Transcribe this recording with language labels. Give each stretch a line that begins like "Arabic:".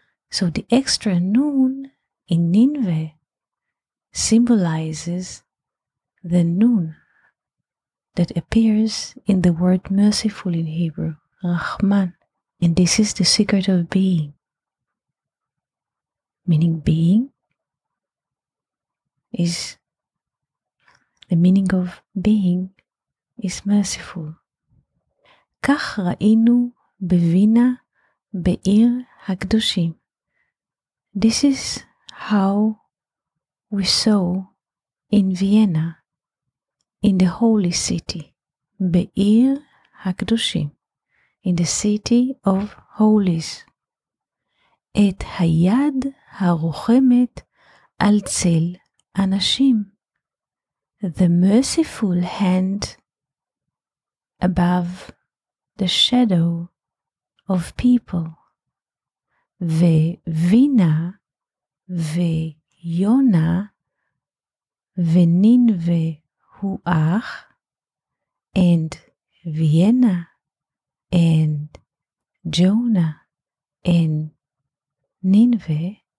English: So the extra Nun in Nineveh symbolizes the Nun that appears in the word merciful in Hebrew, Rahman. And this is the secret of being. Meaning being is, the meaning of being is merciful.
Hebrew: כך ראינו בווינה בעיר הקדושים.
English: This is how we saw in Vienna, in the holy city,
Hebrew: בעיר הקדושים,
English: in the city of holies.
Hebrew: את היד הרוחמת על צל אנשים.
English: The merciful hand above the shadow of people.
Hebrew: Ve-vina, ve-yona, ve-ninve-hu-ach,
English: and Vienna, and Jonah, and Nineveh.